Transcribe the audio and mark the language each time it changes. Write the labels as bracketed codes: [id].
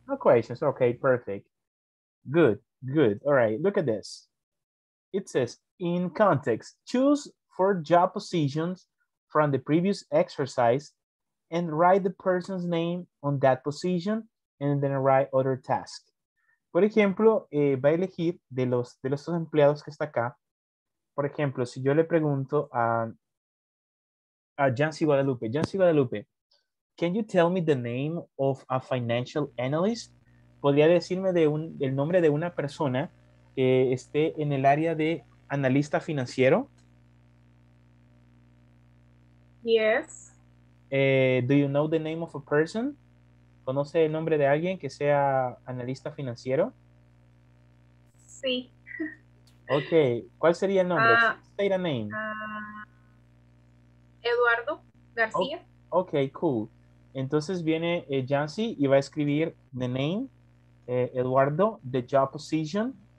[en] No questions. Okay, perfect. Good, good. All right, look at this. It says, in context, choose four job positions from the previous exercise and write the person's name on that position and then write other tasks. [es] Por ejemplo, va a elegir de los empleados que está acá. Por ejemplo, si yo le pregunto a Jancy Guadalupe, [en] Jancy Guadalupe, can you tell me the name of a financial analyst? [es] ¿Podría decirme el nombre de una persona que esté en el área de analista financiero? [en] Yes. Do you know the name of a person? [es] ¿Conoce el nombre de alguien que sea analista financiero? Sí. Ok. ¿Cuál sería el nombre? [en] Say the name. [es] Eduardo García. [en] Ok, cool. [es] Entonces viene Jancy y va a escribir [en] the name, Eduardo, the job position.